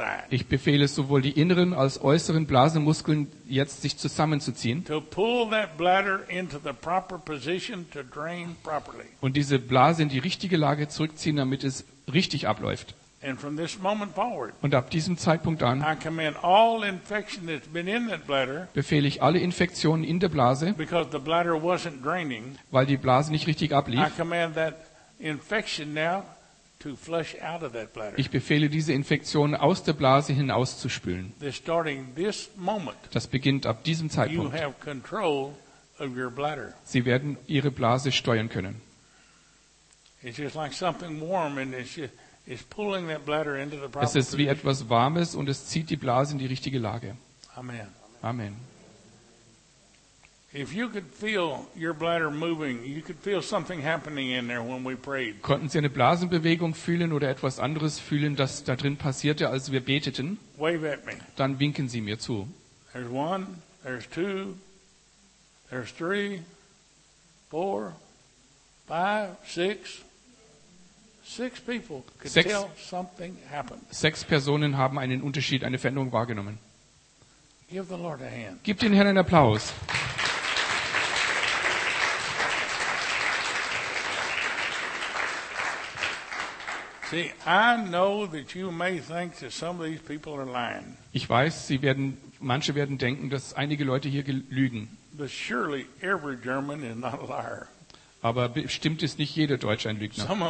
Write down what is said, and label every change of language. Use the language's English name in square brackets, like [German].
[German] Ich befehle sowohl die inneren als äußeren Blasenmuskeln jetzt sich zusammenzuziehen und diese Blase in die richtige Lage zurückziehen, damit es richtig abläuft. [English] And from this moment forward, [German] und ab diesem Zeitpunkt an, [English] I command all infection that's been in that bladder, [German] befehle ich alle Infektionen in der Blase, [English] because the bladder wasn't draining, [German] weil die Blase nicht richtig ablief. [English] I command that infection now to flush out of that bladder. [German] Ich befehle diese Infektion aus der Blase hinauszuspülen. [English] This starting this moment, [German] das beginnt ab diesem Zeitpunkt. [English] You have control of your bladder. [German] Sie werden Ihre Blase steuern können. [English] It's just like something warm and it's just is pulling that bladder into the proper. [German] Es ist wie etwas Warmes und es zieht die Blase in die richtige Lage. [English] Amen. [German] Amen. [English] If you could feel your bladder moving, you could feel something happening in there when we prayed. [German] Konnten Sie eine Blasenbewegung fühlen oder etwas anderes fühlen, das da drin passierte, als wir beteten? [English] Wave at me. [German] Dann winken Sie mir zu. [English] There's one, there's two, there's three, four, five, six. Six people could [German] sechs, [English] tell something happened. [German] Sechs Personen haben einen Unterschied, eine Veränderung wahrgenommen. [English] Give the Lord a hand. [German] Gib den Herrn einen Applaus. [English] See, I know that you may think that some of these people are lying. [German] Ich weiß, manche werden denken, dass einige Leute hier lügen. [English] But surely every German is not a liar. [German] Aber bestimmt ist nicht jeder Deutsche ein Lügner.